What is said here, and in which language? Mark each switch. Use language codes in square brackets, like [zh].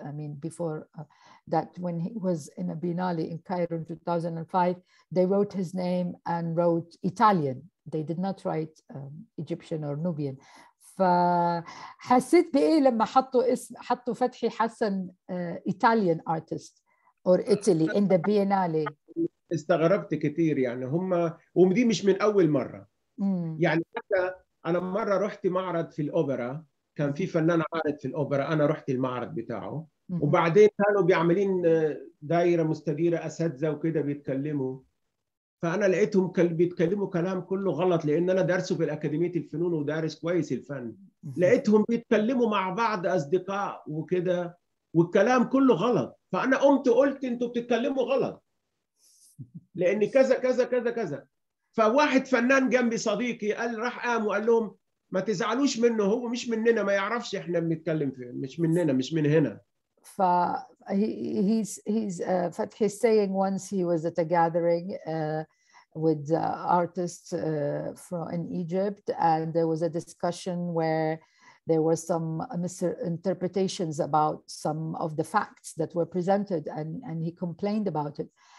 [en] I mean, before that, when he was in a Biennale in Cairo in 2005, they wrote his name and wrote Italian. They did not write Egyptian or Nubian. فحسيت بإيه لما حطوا فتحي حسن Italian artist or Italy in the Biennale. [ar] استغربت كتير يعني، هم ومدي مش من أول مرة. يعني أنا مرة رحت معرض في الأوبرا، كان في فنان عارض في الأوبرا، أنا رحت المعرض بتاعه. وبعدين كانوا بيعملين دائرة مستديرة أساتذة وكده بيتكلموا، فأنا لقيتهم بيتكلموا كلام كله غلط، لأن أنا دارسه في الأكاديمية الفنون ودارس كويس الفن، لقيتهم بيتكلموا مع بعض أصدقاء وكده والكلام كله غلط، فأنا قمت قلت أنتوا بتتكلموا غلط لأن كذا كذا كذا كذا. فواحد فنان جنبي صديقي قال، راح قام وقال لهم ما تزعلوش منه، هو مش مننا، ما يعرفش إحنا بنتكلم فيه، مش مننا، مش من هنا. [en] Fathi is saying once he was at a gathering with artists from in Egypt, and there was a discussion where there were some misinterpretations about some of the facts that were presented, and he complained about it.